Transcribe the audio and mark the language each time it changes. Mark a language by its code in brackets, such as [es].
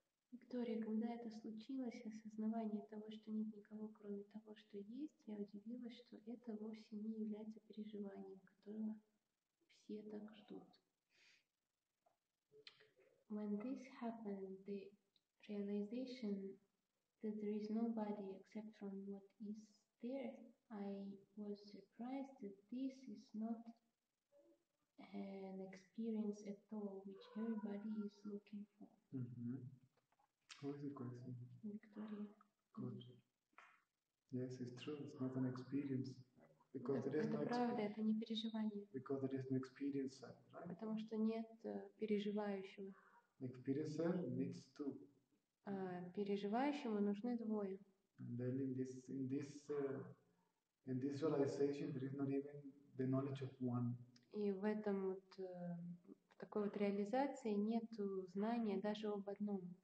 [ru] Виктория, когда это случилось, осознавание того, что нет никого, кроме того, что есть, я удивилась, что это вовсе не является переживанием, которого все так ждут. [en] When this happened, the realization that there is nobody except from what is there, I was surprised that this is not an experience at all, which everybody is looking for. Mm-hmm. What is the question? Victoria. Good. Yes, it's true, it's not an experience. Because there is [ru] это [en] no [ru] правда, это не переживание. [en] Because there is no experience, right? [ru] Потому что нет переживающего. [en] Experiencer needs two. [ru] Переживающему нужны двое. [en] And then in this realization, there is not even the knowledge of one. [ru] И в этом вот в такой вот реализации нету знания даже об одном.